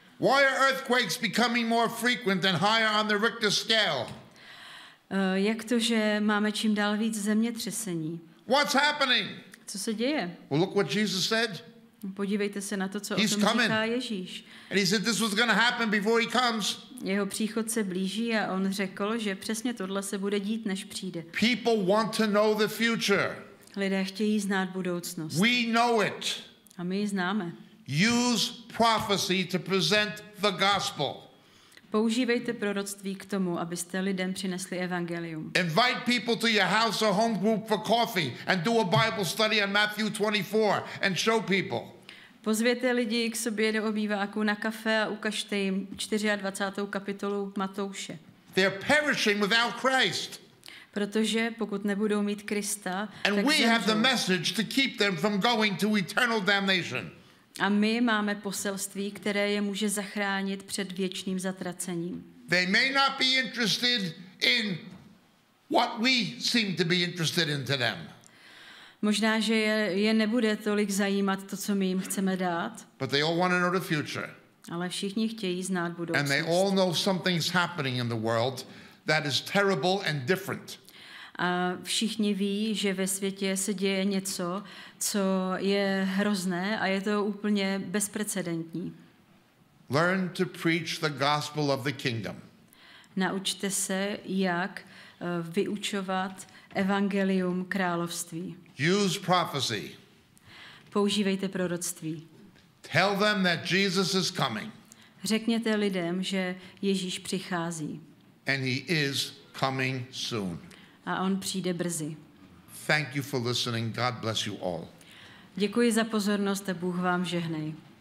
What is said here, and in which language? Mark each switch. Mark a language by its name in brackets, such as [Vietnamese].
[English] Why are earthquakes becoming more frequent and higher on the Richter scale? [Czech] Jak to, že máme čím dál víc zemětřesení? [English] What's happening? [Czech] Co se děje? [English] Well, look what Jesus said. [Czech] Podívejte se na to, co [English] He's [Czech] o tom říká Ježíš. [English] And he said, this was gonna happen before he comes. [Czech] Jeho příchod se blíží a on řekl, že přesně tohle se bude dít, než přijde. [English] People want to know the future. [Czech] Lidé chtějí znát budoucnost. [English] We know it. [Czech] A my ji známe. [English] Use prophecy to present the gospel. [Czech] Používejte proroctví k tomu, abyste lidem přinesli evangelium. [English] Invite people to your house or home group for coffee and do a Bible study on Matthew 24 and show people. [Czech] Pozvěte lidi k sobě do obýváku na kafe a ukažte jim 24. kapitolu Matouše. [English] They are perishing without Christ. [Czech] Protože pokud nebudou mít Krista, [English] and we have the message to keep them from going to eternal damnation. [Czech] A my máme poselství, které je může zachránit před věčným zatracením. [English] They may not be interested in what we seem to be interested in to them. [Czech] Možná, že je nebude tolik zajímat to, co my jim chceme dát. [English] But they all want to know the future. [Czech] Ale všichni chtějí znát budoucnost. [English] And they all know something's happening in the world that is terrible and different. [Czech] A všichni ví, že ve světě se děje něco, co je hrozné a je to úplně bezprecedentní. [English] Learn to preach the gospel of the kingdom. [Czech] Naučte se, jak vyučovat evangelium království. [English] Use prophecy. [Czech] Používejte proroctví. [English] Tell them that Jesus is coming. [Czech] Řekněte lidem, že Ježíš přichází. [English] And he is coming soon. [Czech] A on přijde brzy. [English] Thank you for listening. God bless you all. [Czech] Děkuji za pozornost a Bůh vám žehnej.